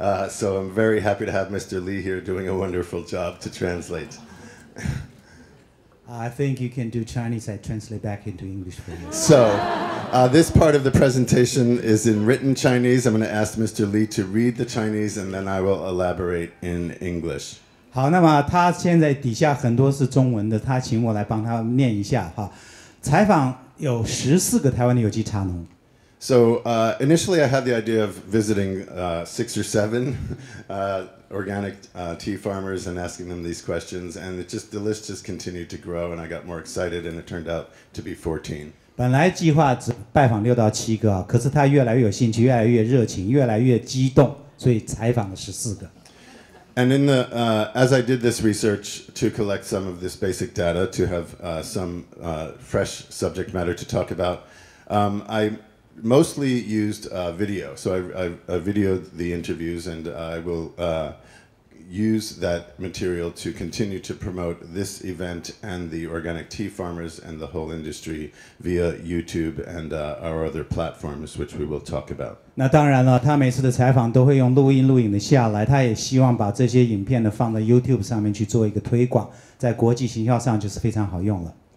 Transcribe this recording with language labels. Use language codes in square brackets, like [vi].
[en] So I'm very happy to have Mr. Lee here doing a wonderful job to translate. I think you can do Chinese, I translate back into English for you. So, this part of the presentation is in written Chinese. I'm going to ask Mr. Lee to read the Chinese and then I will elaborate in English. [zh] 好，那么他现在底下很多是中文的，他请我来帮他念一下。好，采访有14个台湾的有机茶农。 [en] So, initially I had the idea of visiting 6 or 7 organic tea farmers and asking them these questions, and it just, the list just continued to grow and I got more excited and it turned out to be 14. [zh] 本来计划只拜访6到7个，可是他越来越有兴趣，越来越热情，越来越激动，所以采访了14个。 [en] And in the, as I did this research to collect some of this basic data to have fresh subject matter to talk about, I mostly used video. So I videoed the interviews and I will use that material to continue to promote this event and the organic tea farmers and the whole industry via YouTube and our other platforms, which we will talk about. [zh] 那当然了，他每次的采访都会用录影的下来，他也希望把这些影片呢放在 YouTube 上面去做一个推广，在国际行销上就是非常好用了。